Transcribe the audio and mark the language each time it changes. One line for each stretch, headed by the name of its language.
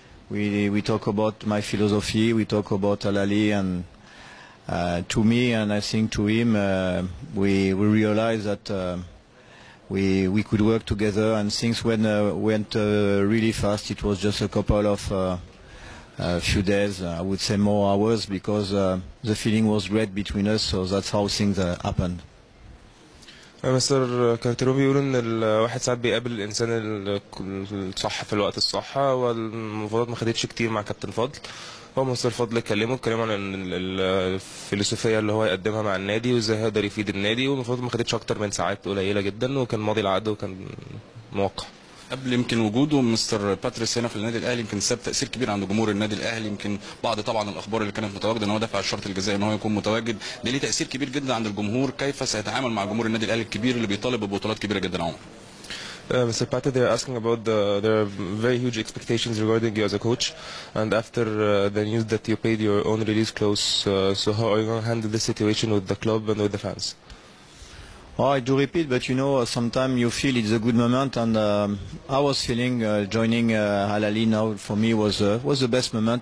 English: We talk about my philosophy, we talk about Al Ahli, and to me, and I think to him, we realize that we could work together, and things went really fast. It was just a couple of few days, I would say more hours, because the feeling was great between us. So that's how things happened.
Arabic: مستر كارتيرون بيقول ان الواحد ساعات بيقابل الانسان الصح في الوقت الصح، والمفاوضات ما خدتش كتير مع كابتن فضل. هو مستر فضل اتكلموا عن الفلسفيه اللي هو يقدمها مع النادي، وازاي هيقدر يفيد النادي، والمفاوضات ما خدتش اكتر من ساعات قليله جدا، وكان ماضي العقد وكان موقع. قبل يمكن وجوده مستر باتريس هنا في النادي الاهلي، يمكن ساب تاثير كبير عند جمهور النادي الاهلي. يمكن بعض طبعا الاخبار اللي كانت متواجده ان هو دفع الشرط الجزائي ان هو يكون متواجد، ده ليه تاثير كبير جدا عند الجمهور. كيف سيتعامل مع جمهور النادي الاهلي الكبير اللي بيطالب ببطولات كبيره جدا عمر؟
English: Mr. Patrick, they are asking about there are very huge expectations regarding you as a coach, and after the news that you paid your own release clause, so how are you going to handle this situation with the club and with the fans? Well, I do repeat, but you know, sometimes you feel it's a good moment, and I was feeling joining Al Ahli now for me was the best moment.